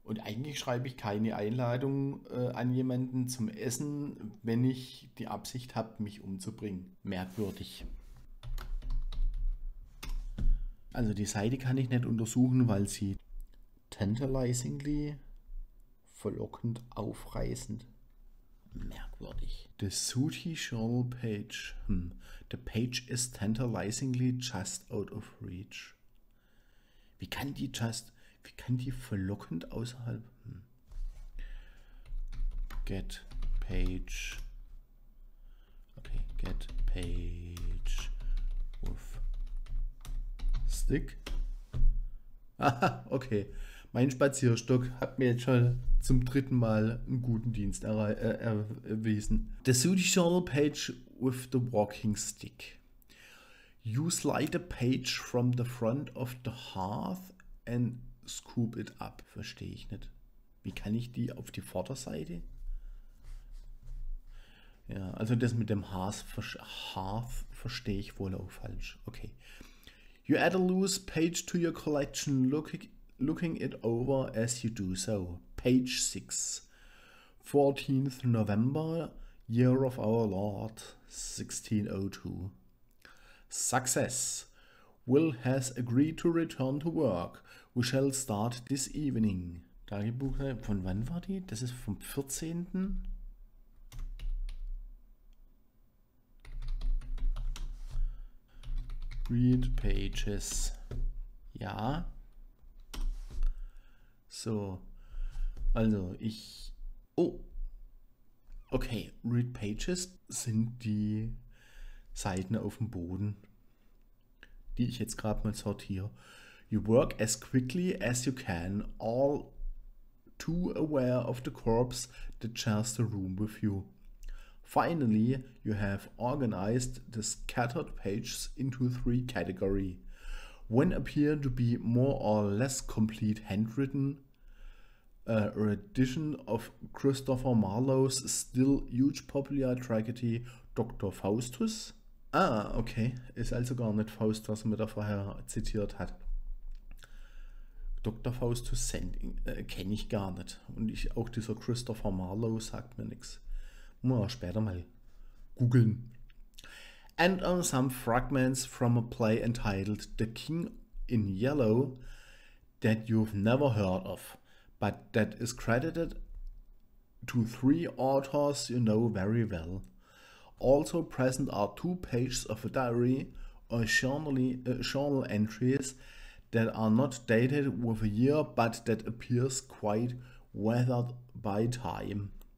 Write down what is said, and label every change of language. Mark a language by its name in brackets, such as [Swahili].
[German] Und eigentlich schreibe ich keine Einladung an jemanden zum Essen, wenn ich die Absicht habe, mich umzubringen. Merkwürdig. Also die Seite kann ich nicht untersuchen, weil sie tantalizingly, verlockend, aufreißend. Merkwürdig. [English] The Sooty Journal Page. The page is tantalizingly just out of reach. [German] Wie kann die verlockend außerhalb? [English] Get page. Okay, get page with stick. Aha, okay. [German] Mein Spazierstock hat mir jetzt schon zum dritten Mal einen guten Dienst erwiesen. [English] The Sooty Journal Page with the Walking Stick. You slide a page from the front of the hearth and scoop it up. [German] Verstehe ich nicht. Wie kann ich die auf die Vorderseite? Ja, also das mit dem Hearth verstehe ich wohl auch falsch. Okay. [English] You add a loose page to your collection, looking it over as you do so. Page 6. 14th November, Year of Our Lord, 1602. Success. Will has agreed to return to work. We shall start this evening. [German] Tagebuch, von wann war die? Das ist vom 14. [English] Read Pages. Ja. [German] So. Also, ich. Oh. Okay. Read Pages sind die Seiten auf dem Boden, die ich jetzt gerade mal sortiere. [English] You work as quickly as you can, all too aware of the corpse that shares the room with you. Finally, you have organized the scattered pages into three categories. One appears to be more or less complete handwritten, a rendition of Christopher Marlowe's still huge popular tragedy Dr. Faustus. Ah, okay. [German] Ist also gar nicht Faust, was er mir da vorher zitiert hat. Dr. Faustus kenne ich gar nicht. Und ich auch dieser Christopher Marlowe sagt mir nichts. Muss man später mal googeln. [English] And on some fragments from a play entitled The King in Yellow that you've never heard of, but that is credited to three authors you know very well. Also present are two pages of a diary or journal entries that are not dated with a year but that appears quite weathered by time.